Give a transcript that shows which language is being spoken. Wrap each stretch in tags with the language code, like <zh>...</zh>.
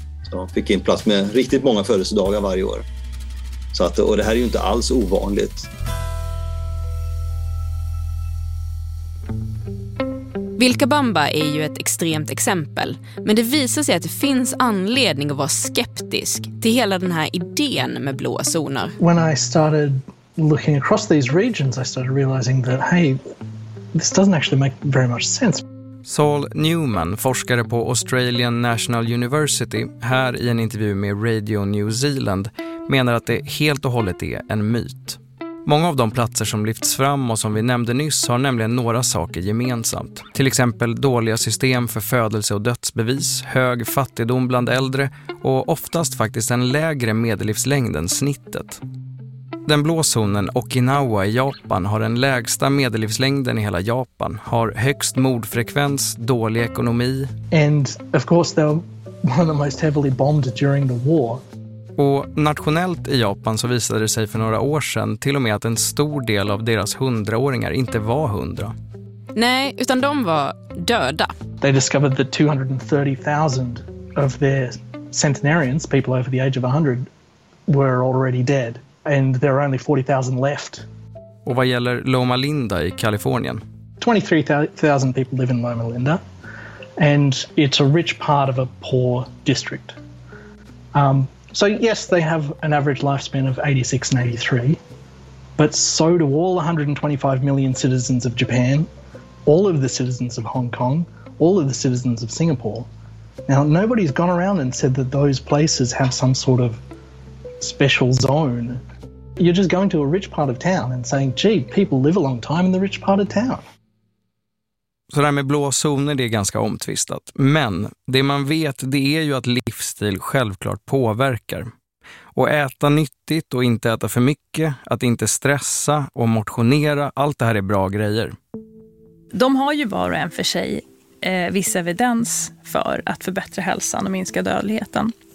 <sv>Så man fick in plats med riktigt många födelsedagar varje år. Så att, och det här är ju inte alls ovanligt. Vilcabamba är ju ett extremt exempel, men det visar sig att det finns anledning att vara skeptisk till hela den här idén med blåa zoner.</sv> <en>When I started looking across these regions, I started realizing that hey, this doesn't actually make very much sense.</en> <sv>Saul Newman, forskare på Australian National University, här i en intervju med Radio New Zealand, menar att det helt och hållet är en myt. Många av de platser som lyfts fram och som vi nämnde nyss har nämligen några saker gemensamt. Till exempel dåliga system för födelse- och dödsbevis, hög fattigdom bland äldre och oftast faktiskt en lägre medellivslängd än snittet. Den blå zonen Okinawa i Japan har den lägsta medellivslängden i hela Japan, har högst mordfrekvens, dålig ekonomi.</sv> <en>And of course they were one of the most heavily bombed during the war.</en> <sv>Och nationellt i Japan så visade det sig för några år sedan till och med att en stor del av deras 100-åringar inte var 100. Nej, utan de var döda.</sv> <en>They discovered that 230,000 of their centenarians, people over the age of 100, were already dead. And there are only 40,000 left.</en> <sv>Och vad gäller Loma Linda i Kalifornien?</sv> <en>23,000 people live in Loma Linda. And it's a rich part of a poor district. So yes, they have an average lifespan of 86 and 83. But so do all 125 million citizens of Japan, all of the citizens of Hong Kong, all of the citizens of Singapore. Now, nobody's gone around and said that those places have some sort of special zone. You're just going to a rich part of town and saying, gee, people live a long time in the rich part of town.</en> <sv>Så det här med blå zoner, det är ganska omtvistat. Men det man vet, det är ju att livsstil självklart påverkar. Och äta nyttigt och inte äta för mycket, att inte stressa och motionera, allt det här är bra grejer. De har ju var och en för sig viss evidens för att förbättra hälsan och minska dödligheten.</sv>